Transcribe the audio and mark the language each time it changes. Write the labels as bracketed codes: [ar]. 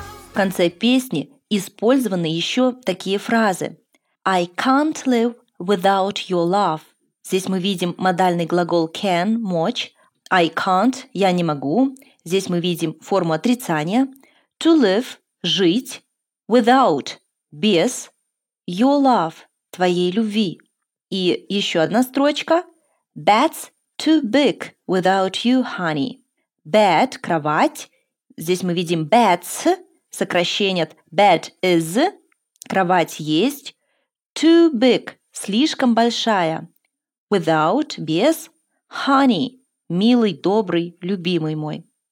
[ru] В конце песни использованы еще такие фразы. [en] I can't live without your love. [ru] Здесь мы видим модальный глагол can, мочь. [en] I can't, [ru] я не могу. Здесь мы видим форму отрицания. To live, жить. [en] Without, [ru] без. [en] Your love, [ru] твоей любви. И еще одна строчка. [en] Bed's too big without you, honey. Bed, [ru] кровать. Здесь мы видим [en] bed's. [ru] Сокращение от [en] bed is, [ru] кровать есть, [en] too big, [ru] слишком большая, [en] without, [ru] без, [en] honey, [ru] милый, добрый, любимый мой.